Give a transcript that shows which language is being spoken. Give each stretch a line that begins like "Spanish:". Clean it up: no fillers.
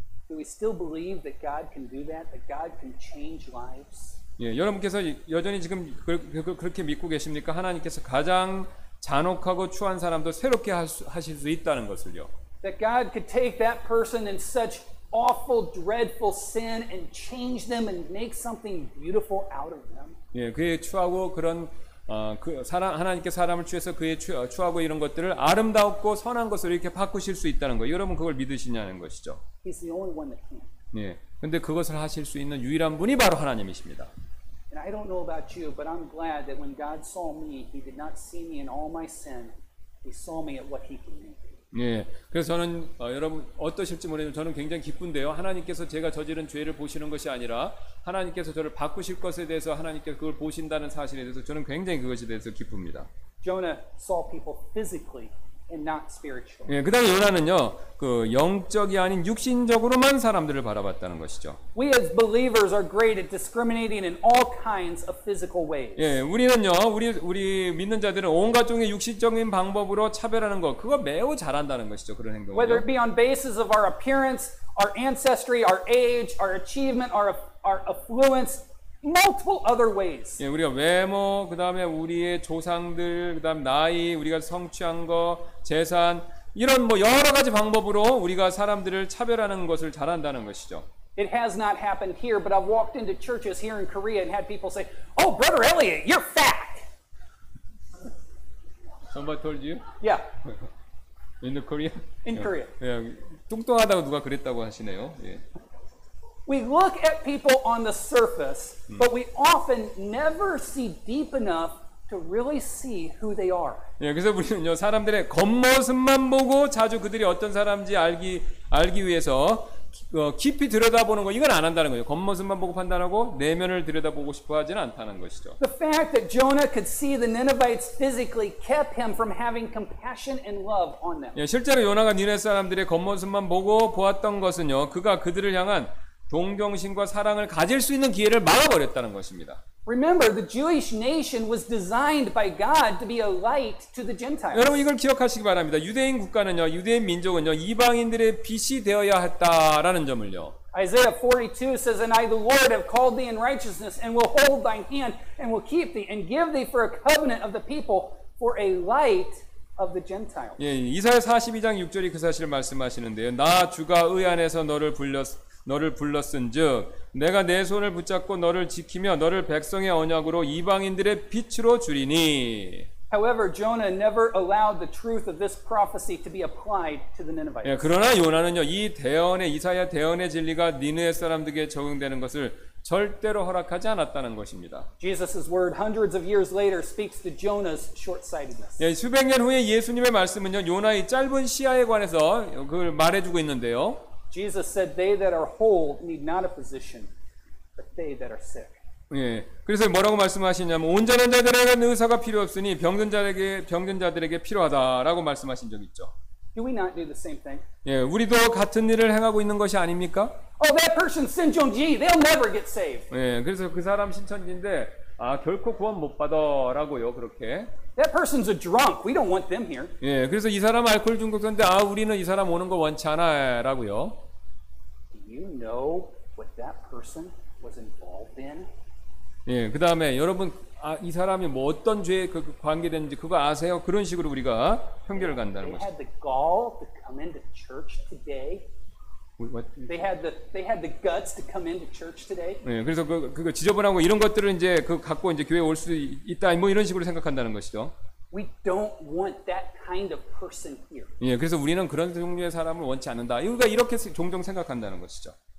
English: Do we still believe that God can do that? That God can change lives?
Korean: 예, 여러분께서 여전히 지금 그렇게 믿고 계십니까? 하나님께서 가장 잔혹하고 추한 사람도 새롭게 하실 수 있다는 것을요.
English: That God could take that person in such awful, dreadful sin and change them and make something beautiful out of them?
Korean: 예, 그의 추하고 그런 그 사람 하나님께 사람을 취해서 그의 추하고 이런 것들을 아름답고 선한 것으로 이렇게 바꾸실 수 있다는 거. 여러분 그걸 믿으시냐는 것이죠.
English: He's the only one that can.
Korean: 예. 근데 그것을 하실 수 있는 유일한 분이 바로 하나님이십니다.
English: And I don't know about you, but I'm glad that when God saw me, he did not see me in all my sin. He saw me at what he can make.
Korean: 예. 그래서 저는 여러분 어떠실지 모르겠지만 저는 굉장히 기쁜데요. 하나님께서 제가 저지른 죄를 보시는 것이 아니라 하나님께서 저를 바꾸실 것에 대해서 하나님께서 그걸 보신다는 사실에 대해서 저는 굉장히 그것에 대해서 기쁩니다.
English: Jonah saw people physically and not spiritually.
Korean: 예, 그다음에 요나는요. 그 영적이 아닌 육신적으로만 사람들을 바라봤다는 것이죠.
English: We as believers are great at discriminating in all kinds of physical ways.
Korean: 예, 우리는요. 우리 믿는 자들은 온갖 종의 육신적인 방법으로 차별하는 거 그거 매우 잘한다는 것이죠. 그런 행동을.
English: Whether it be on basis of our appearance, our ancestry, our age, our achievement, our affluence, multiple other ways.
Korean: 예, 우리가 외모, 그다음에 우리의 조상들, 그다음 나이, 우리가 성취한 거, 재산 이런 뭐 여러 가지 방법으로 우리가 사람들을 차별하는 것을 잘한다는 것이죠.
English: It has not happened here, but I've walked into churches here in Korea and had people say, "Oh, Brother Elliot, you're fat." Somebody told you? Yeah. In the Korea? In Korea.
Korean: 예, 예, 뚱뚱하다고 누가 그랬다고 하시네요. 예.
English: We look at people on the surface, but we often never see deep enough to really see who they are.
Korean: 예, 그래서 우리는요 사람들의 겉모습만 보고 자주 그들이 어떤 사람인지 알기 위해서 깊이 들여다보는 거 이건 안 한다는 거예요. 겉모습만 보고 판단하고 내면을 들여다보고 싶어하지는 않다는 것이죠.
English: The fact that Jonah could see the Ninevites physically kept him from having compassion and love on them.
Korean: 예, 실제로 요나가 니네 사람들의 겉모습만 보고 보았던 것은요 그가 그들을 향한 동정심과 사랑을 가질 수 있는 기회를 막아버렸다는 것입니다.
English: Remember, the Jewish nation was designed by God to be a light to the Gentiles.
Korean: 여러분 이걸 기억하시기 바랍니다. 유대인 국가는요, 유대인 민족은요, 이방인들의 빛이 되어야 했다라는 점을요.
English: Isaiah 42 says, "And I, the Lord, have called thee in righteousness, and will hold thine hand, and will keep thee, and give thee for a covenant of the people, for a light." of the Gentiles.
Korean: 예, 이사야 42장 6절이 그 사실을 말씀하시는데요. 나 주가 의 안에서 너를 불렀은즉 내가 내 손을 붙잡고 너를 지키며 너를 백성의 언약으로 이방인들의 빛으로 주리니.
English: However, Jonah never allowed the truth of this prophecy to be applied to the Ninevites.
Korean: 예, 그러나 요나는요. 이 대언의 이사야 대언의 진리가 니느웨 사람들에게 적용되는 것을 절대로 허락하지 않았다는 것입니다.
English: Jesus's word hundreds of years later speaks to Jonah's short-sightedness.
Korean: 예, 수백 년 후에 예수님의 말씀은요. 요나의 짧은 시야에 관해서 그걸 말해 주고 있는데요.
English: Jesus said they that are whole need not a physician but they that are sick.
Korean: 예. 그래서 뭐라고 말씀하시냐면 온전한 자들에게는 의사가 필요 없으니 병든 자들에게 필요하다라고 말씀하신 적 있죠.
English: Do we not do the same thing?
Korean: 예, 우리도 같은 일을 행하고 있는 것이 아닙니까?
English: Oh, that person, Sinjongji, they'll never get saved.
Korean: 예, 그래서 그 사람 신천지인데 아 결코 구원 못 받아라고요 그렇게.
English: That person's a drunk. We don't want them here.
Korean: 예, 그래서 이 사람 알코올 중독자인데 아 우리는 이 사람 오는 거 원치 않아라고요.
English: Do you know what that person was involved in?
Korean: 예, 그 다음에 여러분 아, 이 사람이 뭐 어떤 죄에 그 관계됐는지 그거 아세요? 그런 식으로 우리가 편견을 간다는 거죠.
English: They had the gall to come into church today. What? They had the guts to come into church today.
Korean: 예, 그래서 그거 지저분하고 이런 것들을 이제 그 갖고 이제 교회에 올 수 있다 뭐 이런 식으로 생각한다는 것이죠.
English: We don't want that kind of person here.
Korean: 예, 그래서 우리는 그런 종류의 사람을 원치 않는다. 우리가 이렇게 종종 생각한다는 것이죠.